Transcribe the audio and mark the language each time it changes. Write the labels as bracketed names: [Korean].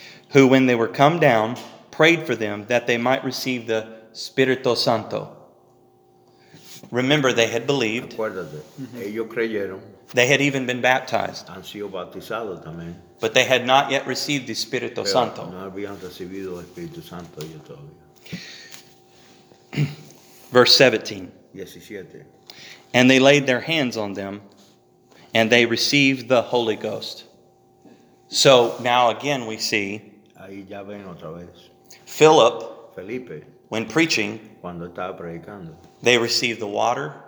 [English] Who when they were come down, prayed for them that they might receive the Espíritu Santo. Remember, they had believed. [Spanish] Acuérdate, ellos creyeron. [English] They had even been baptized. [Spanish] Han sido bautizados también. [English] But they had not yet received the Espíritu Santo. [Spanish] No habían recibido el Espíritu Santo ellos todavía. [English] Verse 17. And they laid their hands on them, and they received the Holy Ghost. So now again we see. [Spanish] Ahí ya ven otra vez. [English] Philip, [Spanish] Felipe, [English] when preaching, [Spanish] cuando estaba predicando, [English] they received the water,